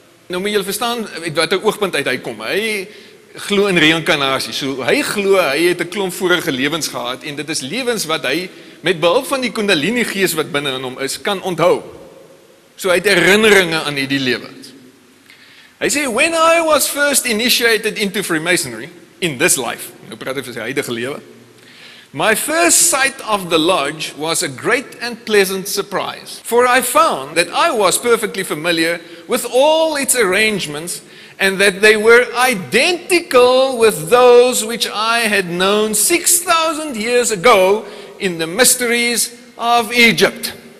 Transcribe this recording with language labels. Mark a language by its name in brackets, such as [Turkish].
[Afrikaans] Nou moet julle verstaan, uit wat een oogpunt uit hy kom. Hy glo in reïncarnasie. So hy glo, hy het 'n klomp vorige lewens gehad, en dit is lewens wat hy, met behulp van die Kundalini gees wat binnen in hom is, kan onthou. So hy het herinneringe aan die lewens. Hy sê, [English] when I was first initiated into Freemasonry, in this life, [Afrikaans] nou praat hy vir sy huidige lewe, [English] my first sight of the lodge was a great and pleasant surprise, for I found that I was perfectly familiar with all its arrangements and that they were identical with those which I had known 6,000 years ago in the mysteries of Egypt.